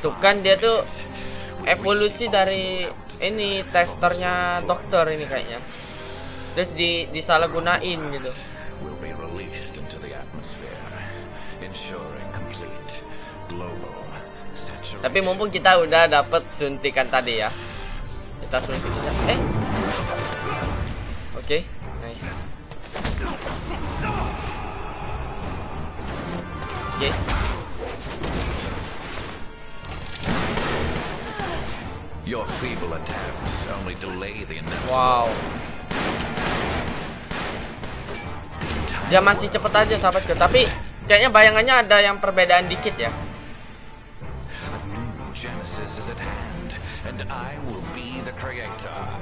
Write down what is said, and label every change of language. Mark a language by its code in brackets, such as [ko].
[id] Tuh kan dia tuh evolusi dari ini testernya dokter ini kayaknya. Terus disalahgunain gitu. [en] We'll be released into the atmosphere, ensuring complete global. [id] Tapi mumpung kita udah dapet suntikan tadi ya, kita suntik aja. Eh, oke, okay. Nice. Oke. [en] Your feeble attempts only delay the inevitable. Wow. [id] Dia masih cepet aja sahabatku, tapi kayaknya bayangannya ada yang perbedaan dikit ya. [en] Genesis is at hand, and I will be the creator.